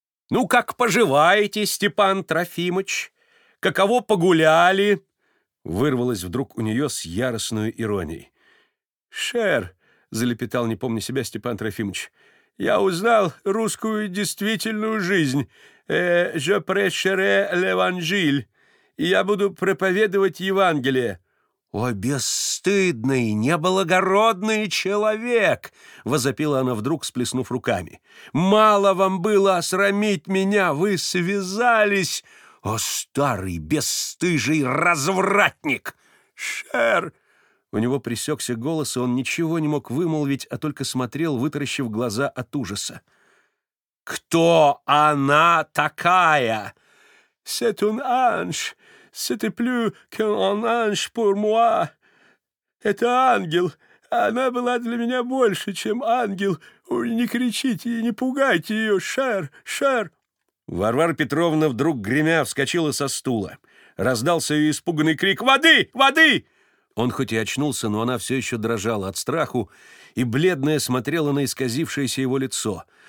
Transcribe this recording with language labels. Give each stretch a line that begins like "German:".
Russian: «Ну, как поживаете, Степан Трофимыч? Каково погуляли?» Вырвалось вдруг у нее с яростной иронией. «Шер», — залепетал, не помня себя, Степан Трофимович, «я узнал русскую действительную жизнь.
French: Je prêcherai l'évangile.
Russian: И я буду проповедовать Евангелие». «О, бесстыдный, неблагородный человек!» — возопила она вдруг, сплеснув руками. «Мало вам было осрамить меня, вы связались! О, старый, бесстыжий развратник! Шер!» У него пресекся голос, и он ничего не мог вымолвить, а только смотрел, вытаращив глаза от ужаса. «Кто она такая?»
French: «C'est un ange! C'était plus qu'un ange pour moi.
Russian: Это ангел. Она была для меня больше, чем ангел. Ой, не кричите и не пугайте ее, Шер, Шер!» Варвара Петровна вдруг, гремя, вскочила со стула. Раздался ее испуганный крик: «Воды! Воды!» Он хоть и очнулся, но она все еще дрожала от страху и бледная смотрела на исказившееся его лицо.